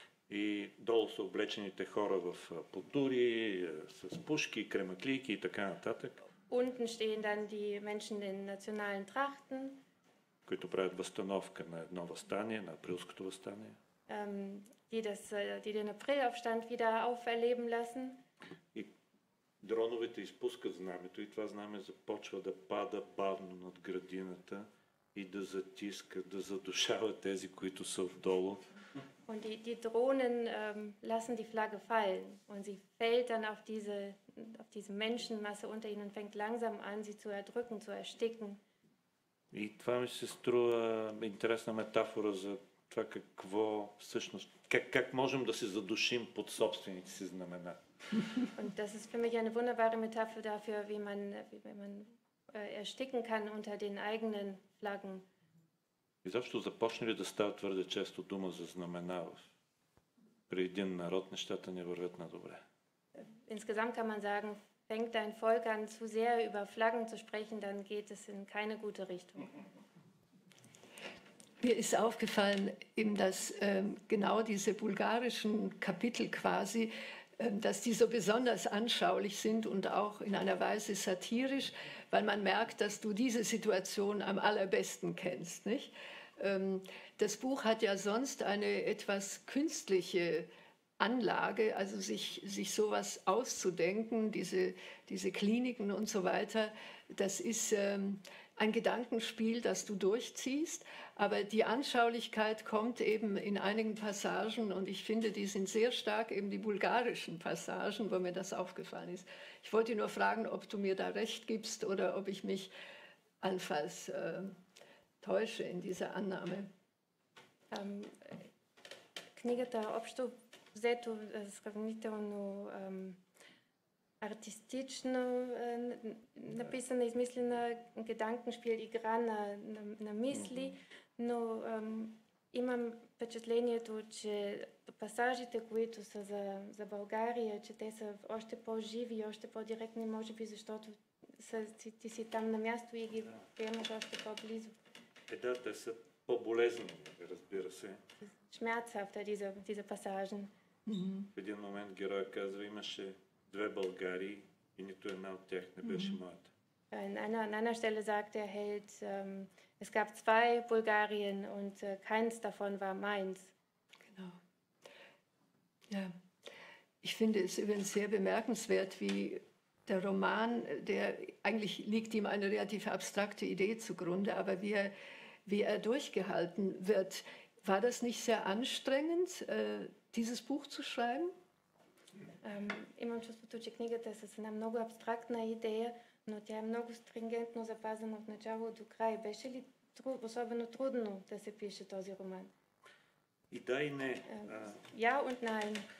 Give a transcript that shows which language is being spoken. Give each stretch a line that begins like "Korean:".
Bulgarian: И долу са облечените хора в потури, с пушки, кремаклийки и така нататък.
German: Unten stehen dann die Menschen in nationalen Trachten.
Bulgarian: Които правят възстановка на едно въстание, на априлското въстание.
German: Die den Aprilaufstand wieder auferleben lassen.
Bulgarian: И дроновете изпускат знамето и това знаме започва да пада бавно над градината и да затиска, да задушава тези, които са вдолу.
German: Und die Drohnen lassen die Flagge fallen und sie fällt dann auf diese Menschenmasse unter ihnen und fängt langsam an, sie zu erdrücken, zu ersticken.
Bulgarian: И това ми се струва интересна метафора за това какво всъщност, как можем да се задушим под собствените си знамена.
German: Und das ist für mich eine wunderbare Metapher dafür, wie man ersticken kann unter den eigenen Flaggen.
Bulgarian: И защо започна ли да става твърде често дума за знамена при един народ, нещата не вървят на добре.
German: Insgesamt kann man sagen, fängt dein Volk an, zu sehr über Flaggen zu sprechen, dann geht es in keine gute Richtung. Mir ist aufgefallen, dass genau diese bulgarischen Kapitel quasi, dass die so besonders anschaulich sind und auch in einer Weise satirisch, weil man merkt, dass du diese Situation am allerbesten kennst, nicht? Das Buch hat ja sonst eine etwas künstliche Anlage, also sich sowas auszudenken, diese Kliniken und so weiter, das ist ein Gedankenspiel, das du durchziehst, aber die Anschaulichkeit kommt eben in einigen Passagen und ich finde, die sind sehr stark, eben die bulgarischen Passagen, wo mir das aufgefallen ist. Ich wollte nur fragen, ob du mir da recht gibst oder ob ich mich allenfalls täusche in dieser Annahme.
Bulgarian: Книгата общо взето сравнително артистично написана, измислена геданкеншпил, игра на мисли, но имам впечатлението, че пасажите, които са за България, че те са още по-живи, още по-директни, може би защото ти си там на място и ги приемаш още по-близо. Е, да, те са по-болезни, разбира се.
German: Schmerzhafter, diese Passagen.
Bulgarian: В един момент героя казва, имаше две Българии и нито една от тях не беше моята.
German: In einer Stelle sagt der Held, es gab zwei Bulgarien und keins davon war meins. Genau. Ja, ich finde es übrigens sehr bemerkenswert, wie der Roman, der eigentlich liegt ihm eine relativ abstrakte Idee zugrunde, aber wie er durchgehalten wird. War das nicht sehr anstrengend, dieses Buch zu schreiben?
Bulgarian: Imam чувството, че книгата е с една много абстрактна идея, но тя е много стрингентно запазена от начало до край. Беше ли особено трудно да се пише този роман? И да, и не.
German: Ja und nein.